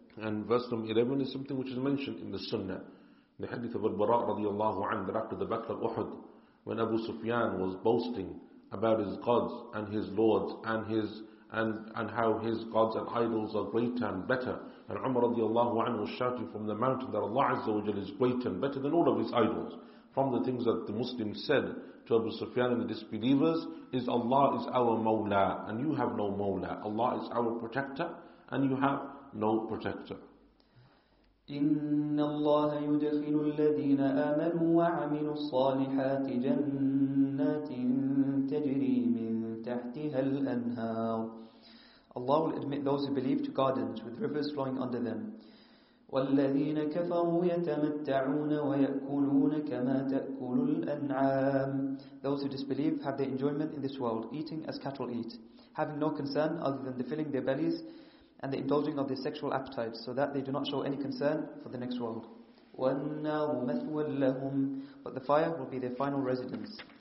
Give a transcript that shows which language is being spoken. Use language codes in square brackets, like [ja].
[en] And verse number 11 is something which is mentioned in the Sunnah. The hadith of Al-Bara' radiallahu anhu, that after the Battle of Uhud, when Abu Sufyan was boasting about his gods and his lords and how his gods and idols are greater and better, and Umar radiallahu anhu was shouting from the mountain that Allah Azza wa Jal is greater and better than all of his idols. From the things that the Muslims said to Abu Sufyan and the disbelievers is Allah is our Mawla and you have no Mawla. Allah is our protector and you have no protector. [ar] إن الله يدخل الذين آمنوا وعملوا الصالحات جنات تجري من تحتها الأنهار [en] Allah will admit those who believe to gardens with rivers flowing under them [ar] والذين كفروا يتمتعون ويأكلون كما تأكل الأنعام. [en] Those who disbelieve have their enjoyment in this world, eating as cattle eat, having no concern other than the filling their bellies and the indulging of their sexual appetites, so that they do not show any concern for the next world. [ar] وَالنَّارُ مَثْوًى لَهُمْ. [en] But the fire will be their final residence.